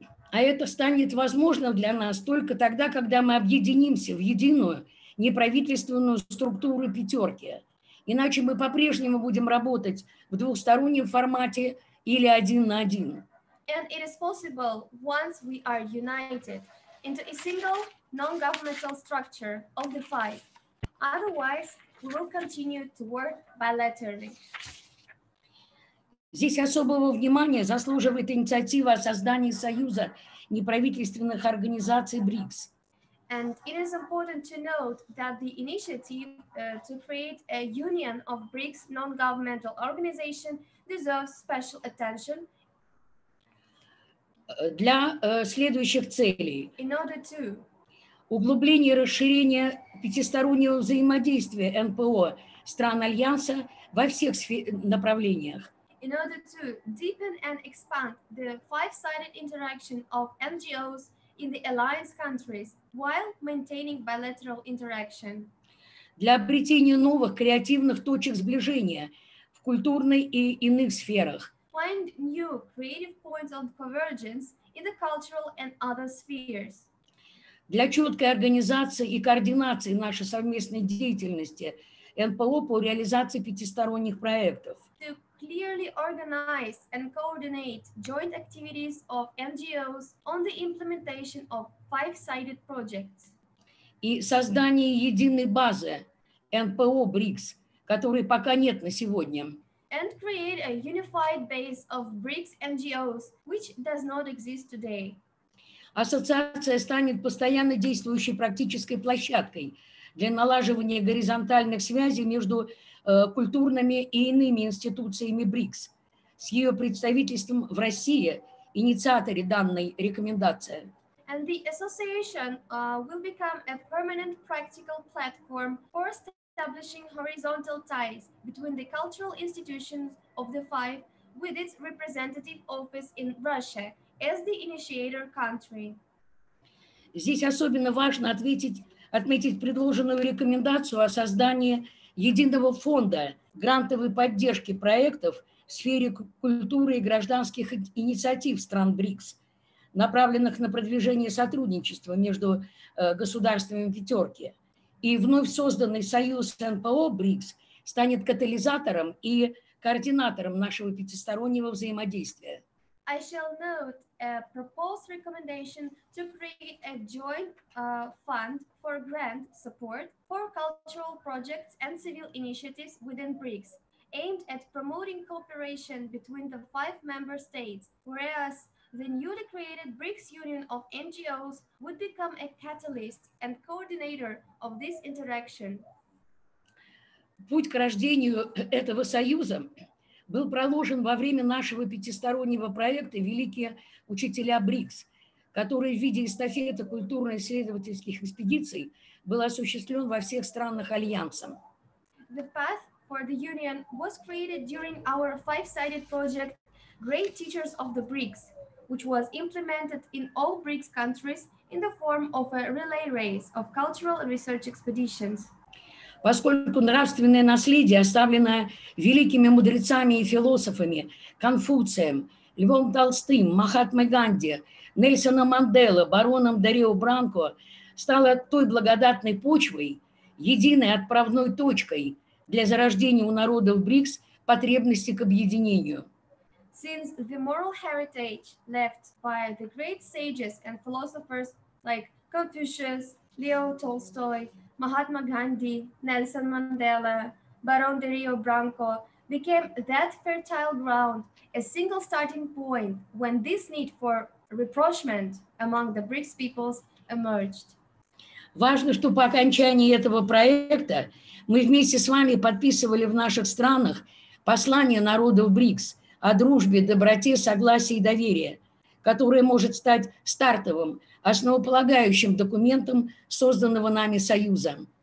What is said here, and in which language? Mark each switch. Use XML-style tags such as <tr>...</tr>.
<ru>А это станет возможным для нас только тогда, когда мы объединимся в единую неправительственную структуру пятерки. Иначе мы по-прежнему будем работать в двухстороннем формате или один на один.</ru> <en>And it is possible once we are united into a single non-governmental structure of the five. Otherwise, we will continue to work bilaterally.</en> <ru>Здесь особого внимания заслуживает инициатива о создании союза неправительственных организаций БРИКС.</ru> <en>And it is important to note that the initiative to create a union of BRICS non-governmental organization deserves special attention.</en> <ru>Для следующих целей.</ru> <en>In order to</en> <ru>углубление и расширение пятистороннего взаимодействия НПО стран Альянса во всех направлениях.</ru> <en>In order to deepen and expand the five-sided interaction of NGOs in the alliance countries while maintaining bilateral interaction.</en> <ru>Для обретения новых креативных точек сближения в культурной и иных сферах.</ru> <en>Find new creative points of convergence in the cultural and other spheres.</en> <ru>Для четкой организации и координации нашей совместной деятельности НПО по реализации пятисторонних проектов.</ru> <en>To clearly organize and coordinate joint activities of NGOs on the implementation of five-sided projects.</en> <ru>И создание единой базы НПО БРИКС, которой пока нет на сегодня.</ru> <en>And create a unified base of BRICS NGOs, which does not exist today.</en> <ru>Ассоциация станет постоянно действующей практической площадкой для налаживания горизонтальных связей между культурными и иными институциями БРИКС с ее представительством в России, инициаторе данной рекомендации.</ru> <en>And the association will become a permanent practical platform for establishing horizontal ties between the cultural institutions of the five with its representative office in Russia as the initiator country.</en> <ru>Здесь особенно важно отметить предложенную рекомендацию о создании единого фонда грантовой поддержки проектов в сфере культуры и гражданских инициатив стран БРИКС, направленных на продвижение сотрудничества между государствами пятерки. И вновь созданный союз НПО БРИКС станет катализатором и координатором нашего пятистороннего взаимодействия.</ru> <en>I shall note a proposed recommendation to create a joint fund for grant support for cultural projects and civil initiatives within BRICS, aimed at promoting cooperation between the five member states, whereas the newly created BRICS Union of NGOs would become a catalyst and coordinator of this interaction.</en> <ru>Путь к рождению этого союза был проложен во время нашего пятистороннего проекта «Великие учителя БРИКС», который в виде эстафеты культурно-исследовательских экспедиций был осуществлен во всех странах Альянса.</ru> <en>The path for the union was created during our five-sided project «Great Teachers of the BRICS», which was implemented in all BRICS countries in the form of a relay race of cultural research expeditions.</en> <ru>Поскольку нравственное наследие, оставленное великими мудрецами и философами Конфуцием, Львом Толстым, Махатмой Ганди, Нельсоном Манделло, бароном Дарио Бранко, стало той благодатной почвой, единой отправной точкой для зарождения у народов БРИКС потребности к объединению.</ru> <en>Since the moral heritage left by the great sages and philosophers like Confucius, Leo Tolstoy, Mahatma Gandhi, Nelson Mandela, Baron de Rio Branco became that fertile ground, a single starting point when this need for rapprochement among the BRICS peoples emerged.</en> <ru>Важно, что по окончании этого проекта мы вместе с вами подписывали в наших странах послание народов БРИКС о дружбе, доброте, согласии и доверии, которое может стать стартовым, основополагающим документом созданного нами союза.</ru>